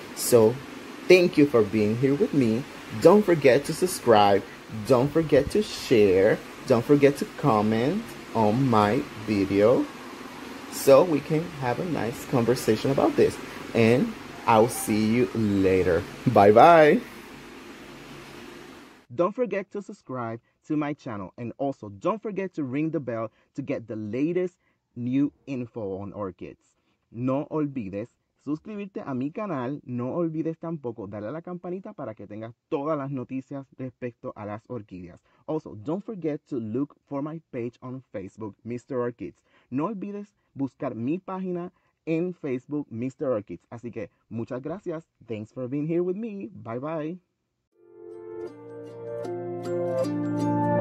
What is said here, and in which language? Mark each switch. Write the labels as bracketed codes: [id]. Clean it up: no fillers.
[en] So thank you for being here with me. Don't forget to subscribe, don't forget to share, don't forget to comment on my video so we can have a nice conversation about this, and I'll see you later. Bye bye. Don't forget to subscribe to my channel, and also don't forget to ring the bell to get the latest new info on orchids. [es] No olvides suscribirte a mi canal. No olvides tampoco darle a la campanita para que tengas todas las noticias respecto a las orquídeas. [en] Also, don't forget to look for my page on Facebook, Mr. Orchids. [es] No olvides buscar mi página en Facebook, Mr. Orchids. Así que, muchas gracias. [en] Thanks for being here with me. Bye bye.